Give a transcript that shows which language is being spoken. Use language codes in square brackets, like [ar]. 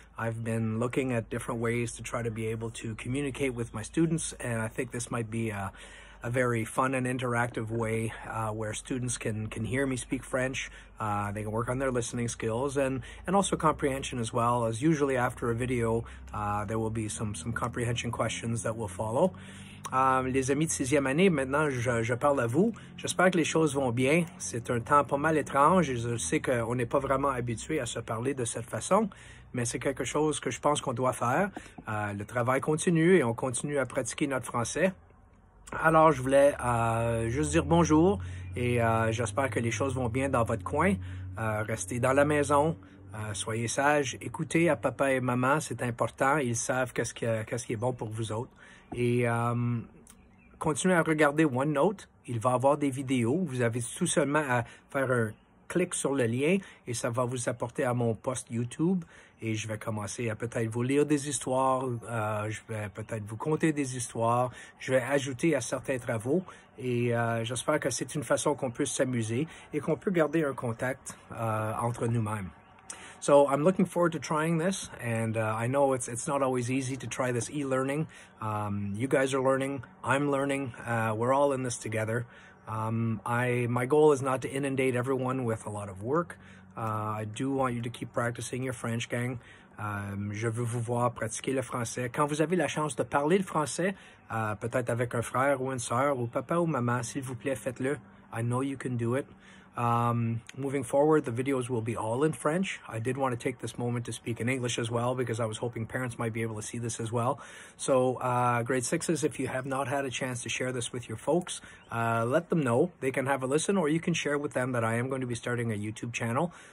[en] I've been looking at different ways to try to be able to communicate with my students, and I think this might be a very fun and interactive way where students can hear me speak French. They can work on their listening skills and also comprehension as well, as usually after a video there will be some comprehension questions that will follow. [fr] Les amis de sixième année, maintenant je parle à vous. J'espère que les choses vont bien. C'est un temps pas mal étrange. Je sais qu'on n'est pas vraiment habitué à se parler de cette façon, mais c'est quelque chose que je pense qu'on doit faire. Le travail continue et on continue à pratiquer notre français. Alors, je voulais juste dire bonjour et j'espère que les choses vont bien dans votre coin. Restez dans la maison, soyez sages, écoutez à papa et maman, c'est important. Ils savent qu'est-ce qui est bon pour vous autres. Et continuez à regarder OneNote, il va y avoir des vidéos. Vous avez tout seulement à faire un clic sur le lien et ça va vous apporter à mon post YouTube. Et je vais commencer à peut-être vous lire des histoires, je vais peut-être vous conter des histoires, je vais ajouter à certains travaux et j'espère que c'est une façon qu'on puisse s'amuser et qu'on peut garder un contact entre nous-mêmes. [en] So I'm looking forward to trying this, and I know it's not always easy to try this e-learning. You guys are learning, I'm learning, we're all in this together. My goal is not to inundate everyone with a lot of work. I do want you to keep practicing your French, gang. [fr] Je veux vous voir pratiquer le français. Quand vous avez la chance de parler le français, peut-être avec un frère ou une sœur, ou papa ou maman, s'il vous plaît, faites-le. [en] I know you can do it. Moving forward, the videos will be all in French. I did want to take this moment to speak in English as well, because I was hoping parents might be able to see this as well. So, grade sixes, if you have not had a chance to share this with your folks, let them know. They can have a listen, or you can share with them that I am going to be starting a YouTube channel.